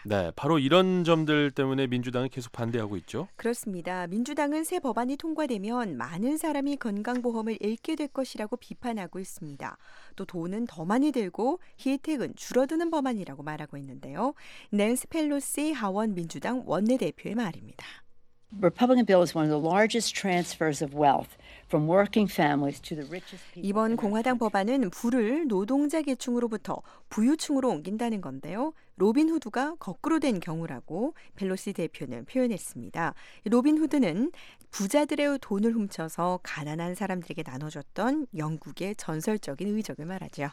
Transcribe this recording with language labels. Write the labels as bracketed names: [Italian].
[Korean] 네, 바로 이런 점들 때문에 민주당은 계속 반대하고 있죠. 그렇습니다. 민주당은 새 법안이 통과되면 많은 사람이 건강보험을 잃게 될 것이라고 비판하고 있습니다. 또 돈은 더 많이 들고 혜택은 줄어드는 법안이라고 말하고 있는데요. 낸시 펠로시 하원 민주당 원내대표의 말입니다. [English] Republican bill is one of the largest transfers of wealth from working families to the richest people. [Korean] 이번 공화당 법안은 부를 노동자 계층으로부터 부유층으로 옮긴다는 건데요. 로빈후드가 거꾸로 된 경우라고 펠로시 대표는 표현했습니다. 로빈후드는 부자들의 돈을 훔쳐서 가난한 사람들에게 나눠줬던 영국의 전설적인 의적을 말하죠.